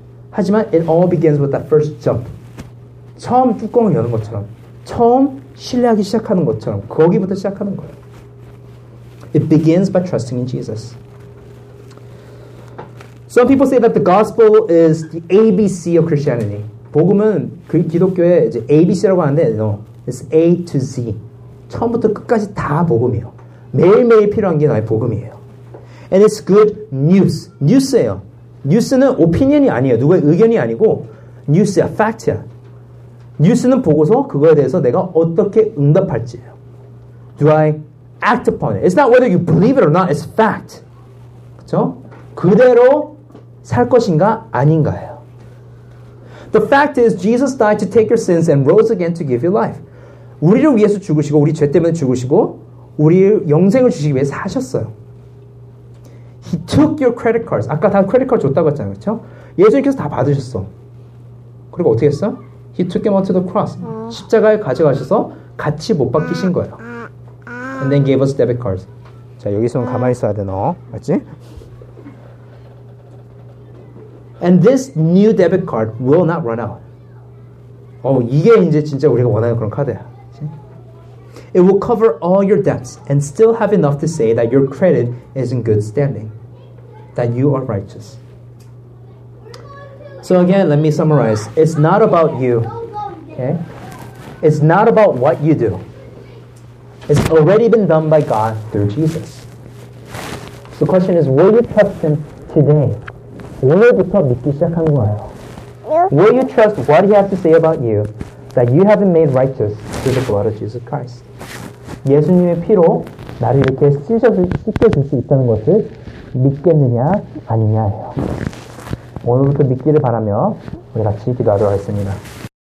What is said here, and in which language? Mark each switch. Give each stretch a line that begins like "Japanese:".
Korean: 하지만
English: it all begins with that first jump.
Korean: 처음 뚜껑을 여는 것처럼 처음 신뢰하기 시작하는 것처럼 거기부터 시작하는 거예요.
English: It begins by trusting in Jesus. Some people say that the gospel is the ABC of Christianity.
Korean: 복음은 기독교의 이제 ABC라고 하는데
English: no. It's A to Z.
Korean: 처음부터 끝까지 다 복음이에요. 매일매일 필요한 게 나의 복음이에요.
English: And it's good news.
Korean: 뉴스예요. 뉴스는 오피니언이 아니에요. 누구의 의견이 아니고 뉴스야, 팩트야. 뉴스는 보고서 그거에 대해서 내가 어떻게 응답할지예요.
English: Do I act upon it? It's not whether you believe it or not. It's a fact.
Korean: 그렇죠? 그대로 살 것인가 아닌가예요.
English: The fact is Jesus died to take your sins and rose again to give you life.
Korean: 우리를 위해서 죽으시고 우리 죄 때문에 죽으시고 우리 영생을 주시기 위해서 하셨어요.
English: He took your credit cards.
Korean: 아까 다 credit card 줬다고 했잖아요. 그렇죠? 예수님께서 다 받으셨어. 그리고 어떻게 했어?
English: He took them onto the cross.
Korean: 십자가에 가져가셔서 같이 못 바뀌신 거예요.
English: And then gave us debit cards.
Korean: 자, 여기서는 가만히 있어야 돼, 너. 알았지?
English: And this new debit card will not run out.
Korean: 이게 이제 진짜 우리가 원하는 그런 카드야.
English: It will cover all your debts and still have enough to say that your credit is in good standing, that you are righteous. So again, let me summarize. It's not about you. Okay? It's not about what you do. It's already been done by God through Jesus. So the question is, will you trust Him today?
Korean: 오늘부터 믿기 시작한 거예요.
English: Will you trust what He has to say about you, that you have been made righteous through the blood of Jesus Christ?
Korean: 예수님의 피로 나를 이렇게 씻겨줄 수 있다는 것을 믿겠느냐 아니냐예요. 오늘부터 믿기를 바라며 우리 같이 기도하도록 하겠습니다.